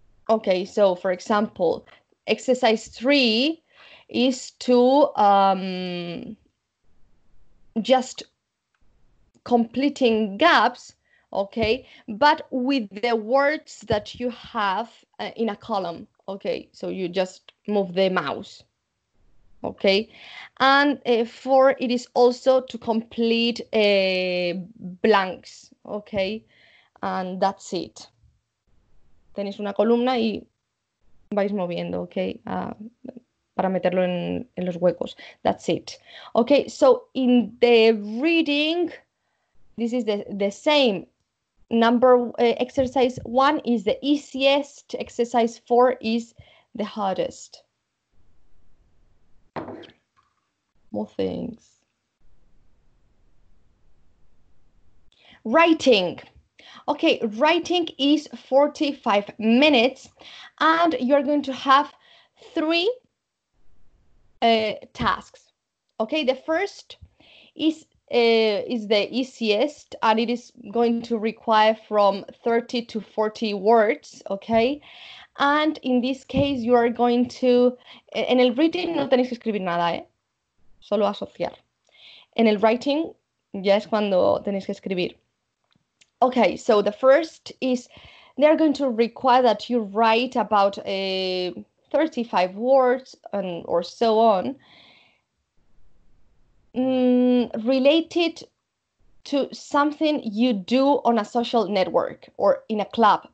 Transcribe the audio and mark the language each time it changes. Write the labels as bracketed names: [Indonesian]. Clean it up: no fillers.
[English] Okay, so for example, exercise 3 is to just completing gaps, okay, but with the words that you have in a column, okay, so you just move the mouse, okay, and 4, it is also to complete blanks, okay, and that's it. [Spanish] Tenéis una columna y vais moviendo, okay, para meterlo en los huecos. [English] That's it. Okay, so in the reading, this is the same. Number exercise 1 is the easiest. Exercise 4 is the hardest. More things. Writing. Okay, writing is 45 minutes and you're going to have 3 tasks. Okay, the first is the easiest and it is going to require from 30 to 40 words, okay? And in this case you are going to, [Spanish] en el reading no tenéis que escribir nada, solo asociar. En el writing ya es cuando tenéis que escribir. [English] Okay, so the first is they're going to require that you write about 35 words and or so on related to something you do on a social network or in a club.